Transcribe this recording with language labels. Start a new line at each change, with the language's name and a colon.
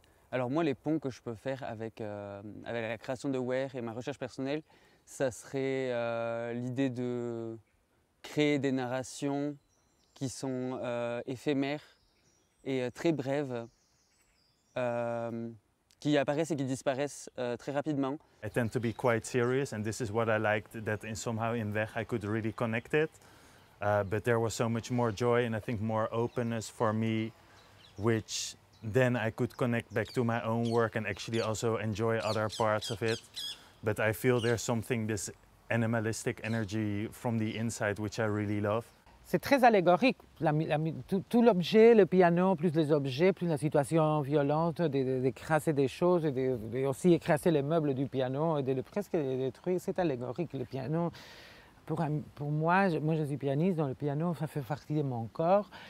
French: Alors moi, les ponts que je peux faire avec la création de Ware et ma recherche personnelle, ça serait l'idée de créer des narrations qui sont éphémères et très brèves, qui apparaissent et qui disparaissent très rapidement.
English: I tend to be quite serious, and this is what I liked, that in somehow in Weg I could really connect it. But there was so much more joy and I think more openness for me, which then I could connect back to my own work and actually also enjoy other parts of it. But I feel there's something, this animalistic energy from the inside, which I really love.
French: C'est très allégorique, tout l'objet, le piano, plus les objets, plus la situation violente d'écraser des choses, et aussi écraser les meubles du piano, et de le presque détruire, c'est allégorique. Le piano, pour moi, je suis pianiste, donc le piano, ça fait partie de mon corps.